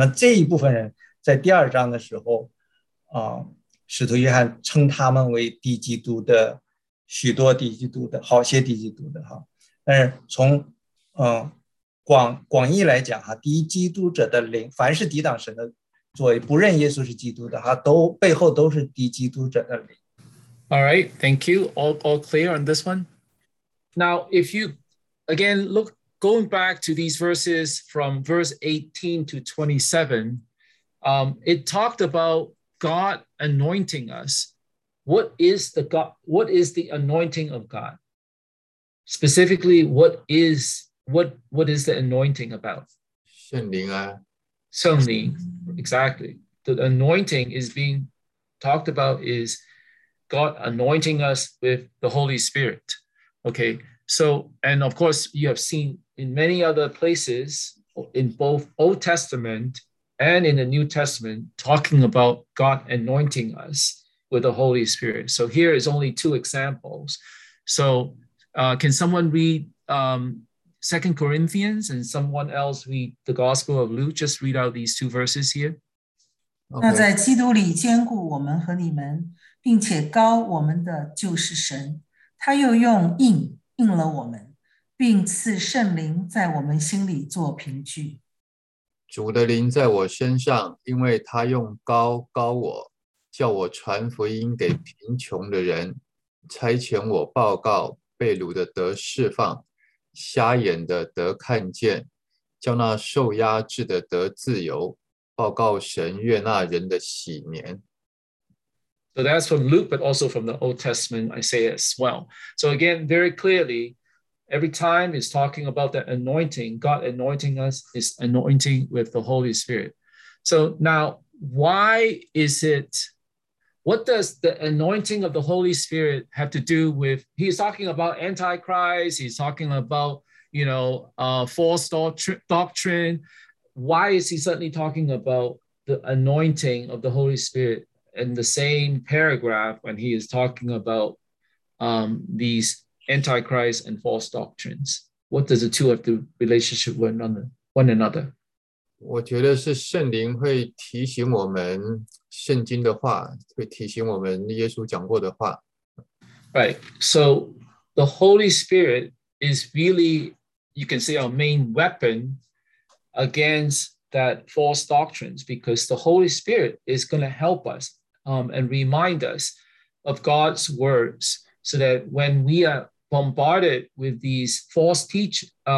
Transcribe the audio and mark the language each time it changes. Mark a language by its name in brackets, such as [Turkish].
[Chinese] 那这一部分人在第二章的时候使徒约翰称他们为敌基督的，许多敌基督的，好些敌基督的哈。但是从广义来讲哈，敌基督者的灵，凡是抵挡神的，作为不认耶稣是基督的哈，都背后都是敌基督者的灵。 [English] All right, thank you. All clear on this one. Now, if you again look going back to these verses from verse 18 to 27,it talked about God anointing us. What is the anointing of God? Specifically, what is what is the anointing about? [Chinese] 圣灵啊。圣灵, [English] exactly. The anointing is being talked about is God anointing us with the Holy Spirit. Okay, so, and of course, you have seen in many other places in both Old Testament and in the New Testament talking about God anointing us with the Holy Spirit. So here is only two examples. So can someone read 2 Corinthians and someone else read the Gospel of Luke? Just read out these two verses here. Okay. [Chinese] 那在基督里坚固我们和你们，并且高我们的就是神，他又用印印了我们，并赐圣灵在我们心里做凭据。主的灵在我身上，因为他用膏膏我，叫我传福音给贫穷的人，差遣我报告被掳的得释放，瞎眼的得看见，叫那受压制的得自由，报告神悦纳人的喜年。 [English] So that's from Luke, but also from the Old Testament Isaiah as well. So again, very clearly, every time it's talking about the anointing, God anointing us is anointing with the Holy Spirit. So now, why is it, what does the anointing of the Holy Spirit have to do with, he's talking about Antichrist, he's talking about, you know, false doctrine. Why is he suddenly talking about the anointing of the Holy Spirit in the same paragraph when he is talking about these antichrist and false doctrines? What does the two have to relationship with one another? [Chinese] 我觉得是圣灵会提醒我们圣经的话，会提醒我们耶稣讲过的话。 [English] Right, so the Holy Spirit is really, you can say, our main weapon against that false doctrines, because the Holy Spirit is going to help us and remind us of God's words, so that when we are bombarded with these false teachings,